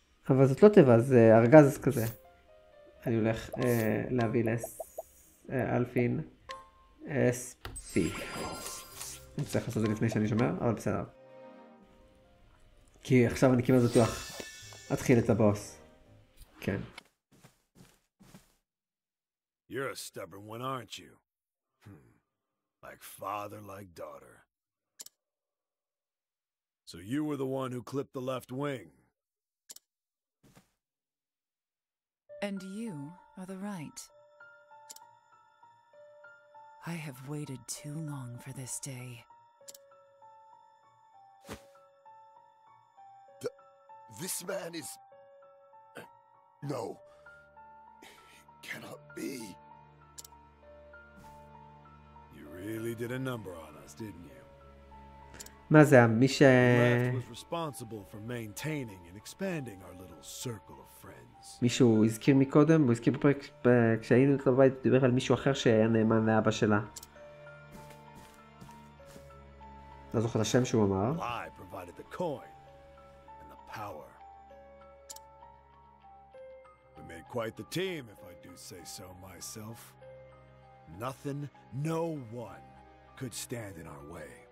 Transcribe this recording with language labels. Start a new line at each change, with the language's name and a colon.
Hebrew: אבל זאת לא טבעה, זה ארגז כזה. אני הולך להביא לאלפין SP. אני צריך לעשות את זה לפני שאני שומר, אבל בסדר. כי עכשיו אני כמעט בטוח אתחיל את הבוס. כן.
English: You're a stubborn one, aren't you? Like father, like daughter. So you were the one who clipped the left wing. And you are the right. I have waited too long for this day. This man is... No. He cannot be. You really did a number on us, didn't you?
Hebrew: מה זה, מי ש...
English: was responsible for maintaining and expanding our little circle of friends.
Hebrew: מישהו הזכיר מקודם, הוא הזכיר בפרק כשהיינו איתו בבית, דיבר על מישהו אחר שהיה נאמן לאבא שלה. לא זוכר את השם שהוא אמר.
English: I provided the coin and the power. We made quite the team, if I do say so myself. Nothing, no one could stand in our way.